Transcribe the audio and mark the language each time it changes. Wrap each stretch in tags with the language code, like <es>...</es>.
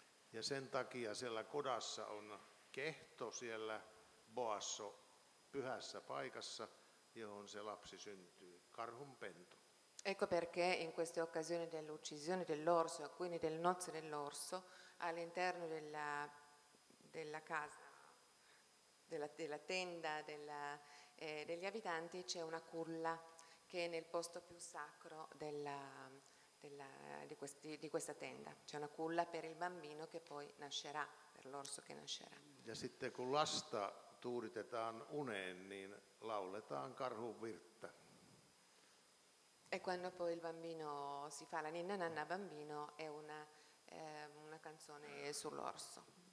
<fi>Ja sen takia siellä kodassa on kehto siellä Boasso pyhässä paikassa, johon se lapsi syntyy, karhun pentu.</fi> <it>Ecco perché in queste occasioni dell'uccisione dell'orso, quindi del nozze dell'orso, all'interno della casa, della tenda degli abitanti c'è una culla che è nel posto più sacro di questa tenda. C'è una culla per il bambino che poi nascerà, per l'orso che nascerà.</it> <fi>Ja sitten kun lasta tuuritetaan uneen, niin lauletaan karhun virttä.</fi> <it>E quando poi il bambino si fa la ninna nanna bambino è una canzone sull'orso.</it>